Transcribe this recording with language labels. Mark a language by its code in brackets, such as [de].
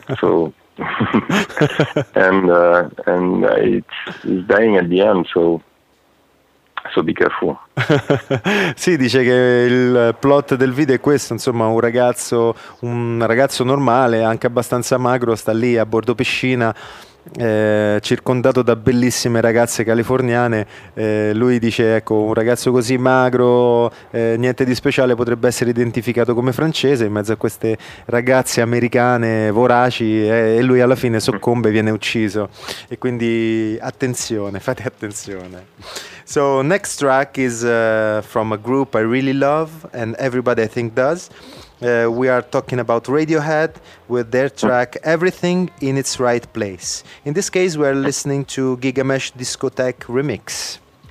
[en] So and it's dying at the end, so be careful. [it] Sì, dice che il plot del video è questo, insomma, un ragazzo normale, anche abbastanza magro, sta lì a bordo piscina, circondato da bellissime ragazze californiane. Lui dice, ecco, un ragazzo così magro, niente di speciale, potrebbe essere identificato come francese in mezzo a queste ragazze americane voraci, e lui alla fine soccombe e viene ucciso. E quindi attenzione, fate attenzione. [en] So next track is from a group I really love, and everybody I think does. We are talking about Radiohead with their track Everything in Its Right Place. In this case, we are listening to Gigamesh Discotheque Remix.